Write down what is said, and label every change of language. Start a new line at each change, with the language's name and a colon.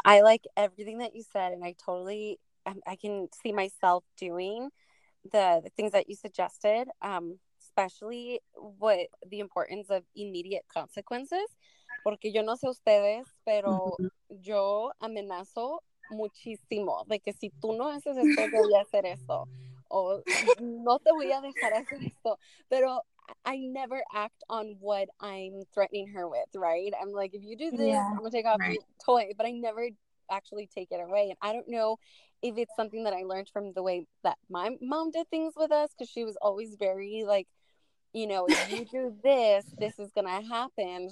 English: I like everything that you said, and I totally, I can see myself doing the things that you suggested, especially what the importance of immediate consequences.
Spanish: Porque yo no sé ustedes, pero yo amenazo muchísimo. De que si tú no haces esto, yo voy a hacer esto. O no te voy a dejar hacer esto.
English: Pero I never act on what I'm threatening her with, right? I'm like, if you do this, yeah, I'm going to take off right. your toy. But I never actually take it away. And I don't know if it's something that I learned from the way that my mom did things with us, because she was always very like, you know, if you do this, this is going to happen.